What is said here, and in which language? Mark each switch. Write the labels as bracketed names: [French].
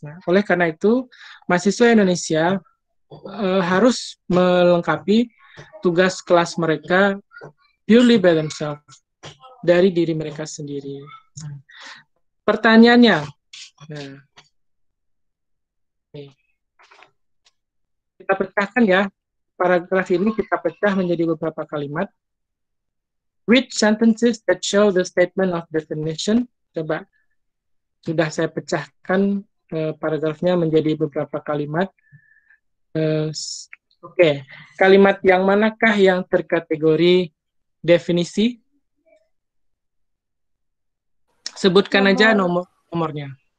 [Indonesian] Nah, oleh karena itu, mahasiswa Indonesia harus melengkapi tugas kelas mereka [English] purely by themselves, [Indonesian] dari diri mereka sendiri. Pertanyaannya, kita pecahkan ya, paragraf ini kita pecah menjadi beberapa kalimat. [English] Which sentences that show the statement of definition? [Indonesian] Coba, sudah saya pecahkan paragrafnya menjadi beberapa kalimat. Okay. Kalimat yang manakah yang terkategori definisi? Sebutkan nomor, aja nomornya.